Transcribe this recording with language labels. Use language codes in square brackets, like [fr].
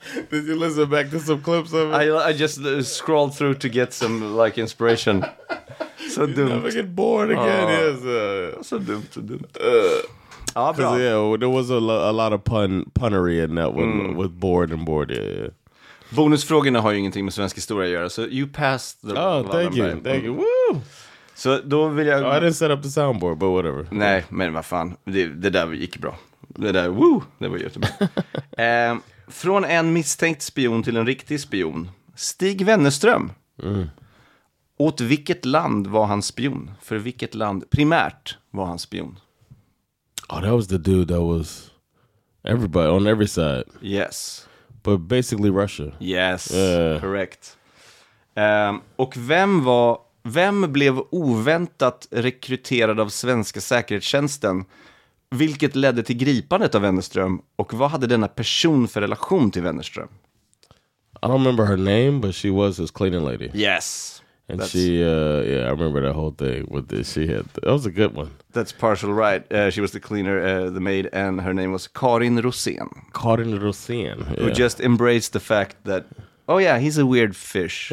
[en] Did you listen back to some clips of it? I just scrolled through to get some like inspiration. So you never get bored again. Aww. Yes. So dumb. Yeah, there was a lot of punnery in that one with bored and bored. Yeah, yeah. [sv] Bonusfrågorna har ju ingenting med svensk historia att göra. [en] So you passed the... Oh, thank you. Thank you. Woo! [sv] So då vill jag... [en] I didn't set up the soundboard, but whatever. [sv] Nej, men vad fan. Det där gick bra. Det där, woo! Det var jättebra. Från en misstänkt spion till en riktig spion. Stig Wennerström. Mm. Åt vilket land var han spion? För vilket land primärt var han spion? [en] Oh, that was the dude that was everybody on every side. Yes. But basically Russia. Yes, correct. [sv] Och vem blev oväntat rekryterad av svenska säkerhetstjänsten? Vilket ledde till gripandet av Wennerström? Och vad hade denna person för relation till Wennerström? [en] I don't remember her name, but she was his cleaning lady. Yes. And she, I remember that whole thing with this. She had, that was a good one. That's partial right. She was the cleaner, the maid, and her name was Karin Rosén. Karin Rosén, yeah. Who just embraced the fact that, oh yeah, he's a weird fish.